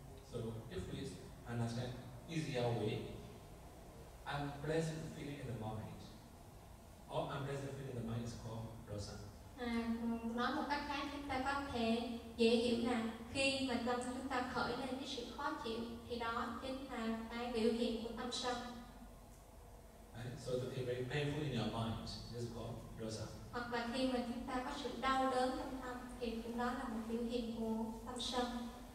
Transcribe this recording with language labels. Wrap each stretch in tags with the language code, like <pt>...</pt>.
<en>So if we understand easier way, unpleasant feeling in the mind, or unpleasant feeling in the mind is called dosa.</en> <vi>Nói một cách khác, chúng ta có thể dễ hiểu là khi mà tâm chúng ta khởi lên cái sự khó chịu thì đó chính là cái biểu hiện của tâm sân.</vi> <en>And so to be very painful in your mind, this is called dosa.</en> <vi>Hoặc là khi mà chúng ta có sự đau đớn trong tâm thì cũng đó là một biểu hiện của tâm sân.</vi>